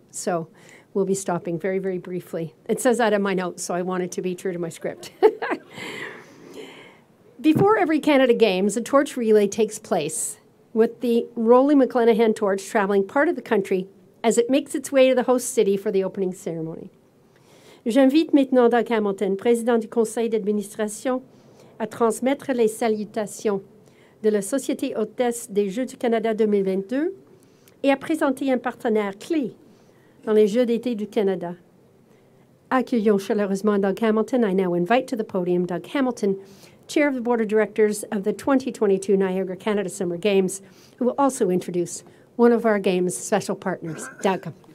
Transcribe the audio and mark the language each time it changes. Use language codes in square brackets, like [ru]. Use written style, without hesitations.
[en] So we'll be stopping very, very briefly. It says that in my notes, so I wanted to be true to my script. Before every Canada Games, a torch relay takes place, with the Roly McLenahan torch traveling part of the country as it makes its way to the host city for the opening ceremony. [fr] J'invite maintenant Doug Hamilton, président du conseil d'administration, à transmettre les salutations de la société hôtesse des Jeux du Canada 2022 et à présenter un partenaire clé dans les Jeux d'été du Canada. Accueillons chaleureusement Doug Hamilton. [en] I now invite to the podium Doug Hamilton, Chair of the Board of Directors of the 2022 Niagara Canada Summer Games, who will also introduce one of our Games special partners, Doug.